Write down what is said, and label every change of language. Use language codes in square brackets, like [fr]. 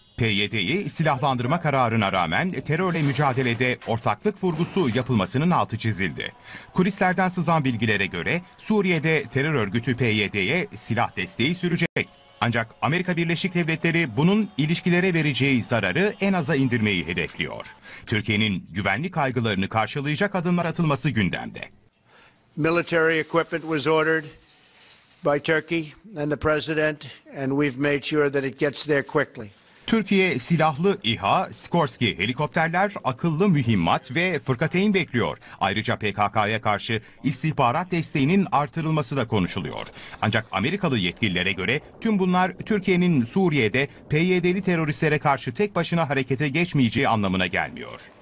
[tr] PYD'yi silahlandırma kararına rağmen terörle mücadelede ortaklık vurgusu yapılmasının altı çizildi. Kulislerden sızan bilgilere göre Suriye'de terör örgütü PYD'ye silah desteği sürecek. Ancak Amerika Birleşik Devletleri bunun ilişkilere vereceği zararı en aza indirmeyi hedefliyor. Türkiye'nin güvenlik kaygılarını karşılayacak adımlar atılması gündemde. [en] Military equipment was ordered by Turkey and the president and we've made sure that it gets there quickly. [tr] Türkiye silahlı İHA, Sikorsky helikopterler, akıllı mühimmat ve fırkateyn bekliyor. Ayrıca PKK'ya karşı istihbarat desteğinin artırılması da konuşuluyor. Ancak Amerikalı yetkililere göre tüm bunlar Türkiye'nin Suriye'de PYD'li teröristlere karşı tek başına harekete geçmeyeceği anlamına gelmiyor.